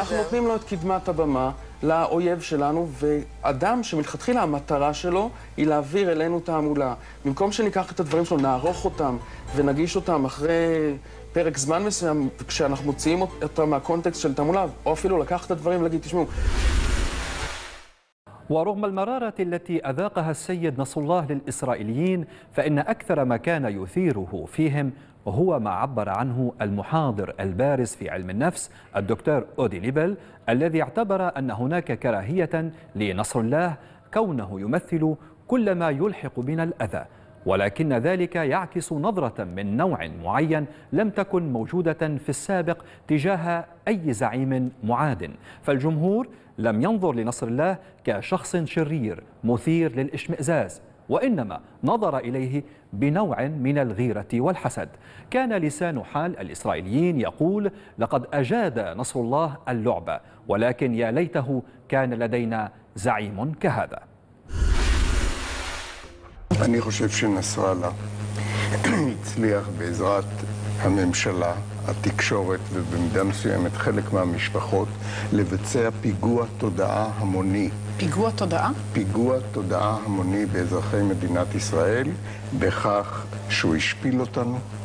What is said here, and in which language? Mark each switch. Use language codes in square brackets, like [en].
[he] אנחנו נותנים לו את קדמת הבמה לאויב שלנו, ואדם שמתחתחילה המטרה שלו היא להעביר אלינו תעמולה. במקום שניקח את הדברים שלו, נערוך אותם ונגיש אותם אחרי פרק זמן מסוים, כשאנחנו מוציאים אותם מהקונטקסט של תעמולה, או אפילו לקח את הדברים ולהגיד, תשמעו. [ar] ורغم المرارة التي أذاقها السيد نصر الله للإسرائيليين فإن أكثر ما كان يثيره فيهم هو ما عبر عنه المحاضر البارز في علم النفس الدكتور أودي ليبل الذي اعتبر أن هناك كراهية لنصر الله كونه يمثل كل ما يلحق بنا الأذى ولكن ذلك يعكس نظرة من نوع معين لم تكن موجودة في السابق تجاه أي زعيم معاد فالجمهور لم ينظر لنصر الله كشخص شرير مثير للإشمئزاز وإنما نظر إليه بنوع من الغيرة والحسد كان لسان حال الإسرائيليين يقول لقد أجاد نصر الله اللعبة ولكن يا ليته كان لدينا زعيم كهذا [he] אני חושב שנסראללה הצליח בעזרת הממשלה, התקשורת ובמידה מסוימת חלק מהמשפחות לבצע פיגוע תודעה המוני. פיגוע תודעה? פיגוע תודעה המוני באזרחי מדינת ישראל בכך שהוא השפיל אותנו.